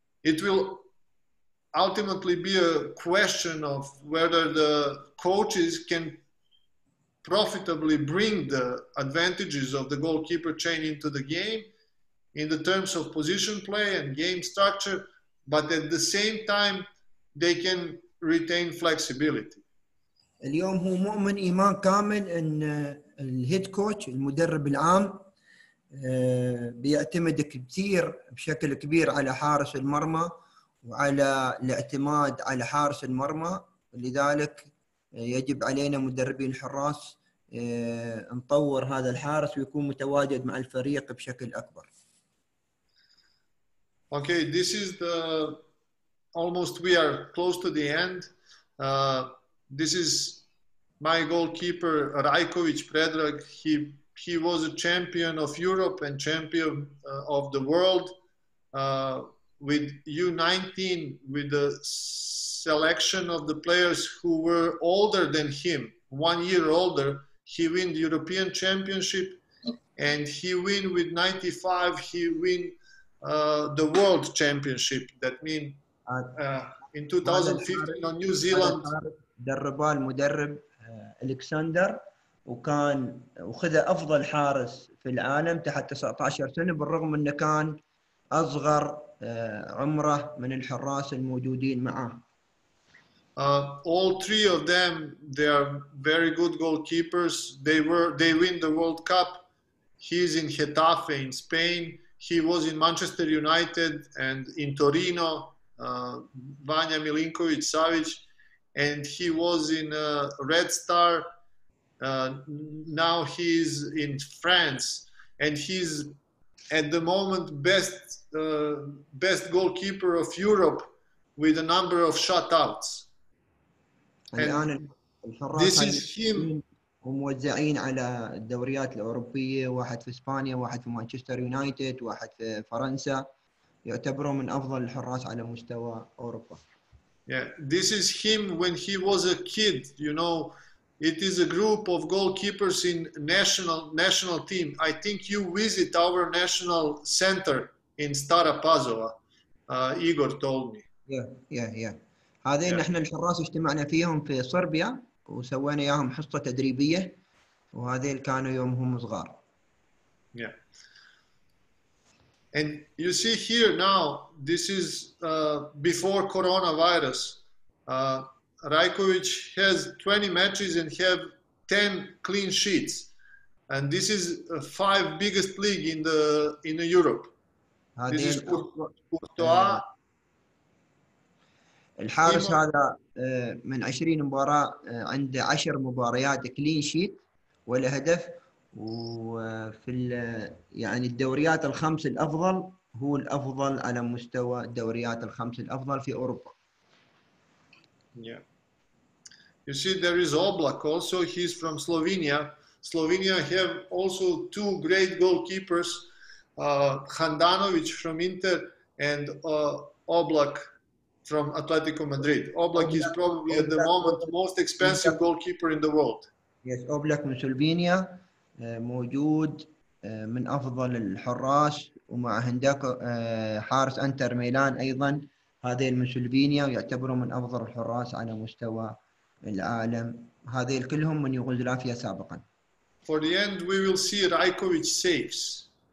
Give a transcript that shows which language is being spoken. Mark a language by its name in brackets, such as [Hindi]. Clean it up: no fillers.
[English] It will ultimately be a question of whether the coaches can profitably bring the advantages of the goalkeeper chain into the game in the terms of position play and game structure, but at the same time, they can retain flexibility. [Arabic] اليوم هو مؤمن إيمان كامل أن الهيد كوتش المدرب العام بيعتمد كثير بشكل كبير على حارس المرمى وعلى الاعتماد على حارس المرمى, لذلك يجب علينا مدربين حراس نطور هذا الحارس ويكون متواجد مع الفريق بشكل أكبر. [English] Okay, this is the almost we are close to the end. This is my goalkeeper Rajković Predrag. He was a champion of Europe and champion of the world with U19, with the selection of the players who were older than him, 1 year older. He win the European Championship, and he win with 95. He win the World Championship. That mean in 2015 on New Zealand. [Arabic] دربه المدرب الكسندر وكان وخذ افضل حارس في العالم تحت 19 سنه بالرغم انه كان اصغر عمره من الحراس الموجودين معه. [English] All three of them, they are very good goalkeepers. They win the World Cup. He's in Getafe in Spain. He was in Manchester United and in Torino. Vanja Milinković Savić. And he was in Red Star Now he's in France, and he's at the moment best goalkeeper of Europe with a number of shutouts. [Arabic] الآن [English] this is him. [Arabic] وموزعين على الدوريات الأوروبية واحد في إسبانيا واحد في مانشستر يونايتد واحد في فرنسا يعتبره من أفضل الحراس على مستوى أوروبا. [English] Yeah, this is him when he was a kid. You know, it is a group of goalkeepers in national team. I think you visit our national center in Stara Pazova. Igor told me. Yeah. [Arabic] هذين نحن الحراس اجتمعنا فيهم في صربيا وسوينا ياهم حصة تدريبية وهذين كانوا يومهم صغار. Yeah. [English] And you see here now, this is before coronavirus. Rajković has 20 matches and have 10 clean sheets. And this is five biggest league in the Europe. [Arabic] هذين, [English] this is Courtois. [Arabic] الحارس هذا من 20 مباراة عنده 10 مباريات كلين شيت ولا هدف وفي يعني الدوريات الخمس الأفضل هو الأفضل على مستوى الدوريات الخمس الأفضل في أوروبا. [English] Yeah. You see there is Oblak also, he's from Slovenia. Slovenia have also two great goalkeepers, Handanovic from Inter and Oblak from Atletico Madrid. Oblak is probably at the moment the most expensive goalkeeper in the world. Yes, Oblak from Slovenia, [Arabic] موجود من أفضل الحراس ومع هنداك حارس أنتر ميلان أيضا هذيل من سلوفينيا ويعتبروا من أفضل الحراس على مستوى العالم هذيل كلهم من يوغوسلافيا سابقا. [English] For the end we will see Rajković saves.